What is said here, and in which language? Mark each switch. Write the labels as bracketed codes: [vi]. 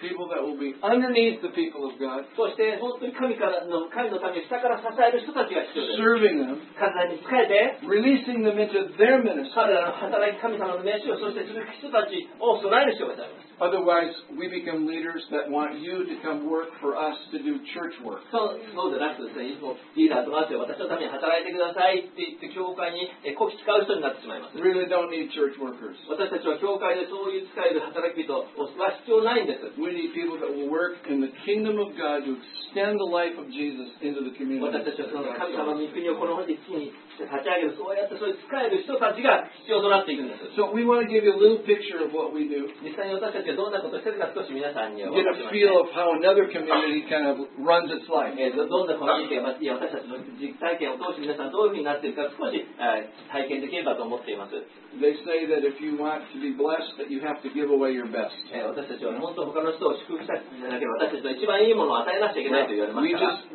[en] people that will be underneath the people of God. [ja] そして本当に神からの神のために下から支える人たちが必要です。 [en] Serving them. [ja] 神様に仕えて。 [en] Releasing them into their ministry. [ja] 彼らの働き神様の名刺をそして続く人たちを備える人たちです。 [en] Otherwise, we become leaders that want you to come work for us to do church work. [ja] そうじゃなくて、いつもリーダーとなって私のために働いてくださいって言って教会にこき使う人になってしまいます。 [en] Really don't need church workers. [ja] 私たちは教会でそういう使える働き人は必要ないんです。 [en] We need people that will work in the kingdom of God to extend the life of Jesus into the community. [ja] 私たちはその神様の御国をこの地に立ち上げる、そうやってそういう使える人たちが必要となっていくんです。 [en] So we want to give you a little picture of what we do. [ja] 実際に私たちどんなことをしているか少し皆さんにお伝え [en] 。 Get a feel of how another community kind of runs its life. [ja] どんなコミュニティが、いや、私たちの実体験を通して皆さんどういうふうになっているか少し、体験できればと思っています。 [en] They say that if you want to be blessed, that you have to give away your best. [ja] 私たちは本当他の人を祝福したくなければ、私たちは一番いいものを与えなくちゃいけないと言われますから。